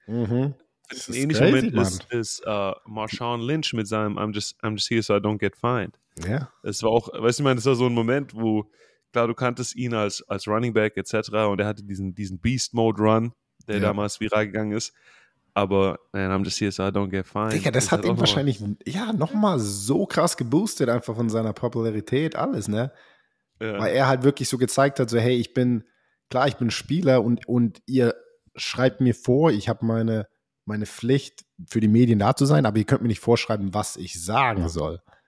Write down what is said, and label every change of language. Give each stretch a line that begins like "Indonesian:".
German: Mhm. Ein ähnlicher Moment ist Marshawn Lynch mit seinem
English: I'm just here so I don't get fined.
German: Ja. Es war auch, weißt du, ich meine, das war so ein Moment, wo, klar, du kanntest ihn als Running Back etc. und er hatte diesen Beast-Mode-Run, der damals viral gegangen ist.
English: Aber I'm just here so I don't get fined.
German: Digga, das hat ihn wahrscheinlich nochmal so krass geboostet, einfach von seiner Popularität, alles, ne? Ja. Weil er halt wirklich so gezeigt hat, so hey, ich bin klar, ich bin Spieler und ihr schreibt mir vor, ich habe meine Pflicht, für die Medien da zu sein, aber ihr könnt mir nicht vorschreiben, was ich sagen soll.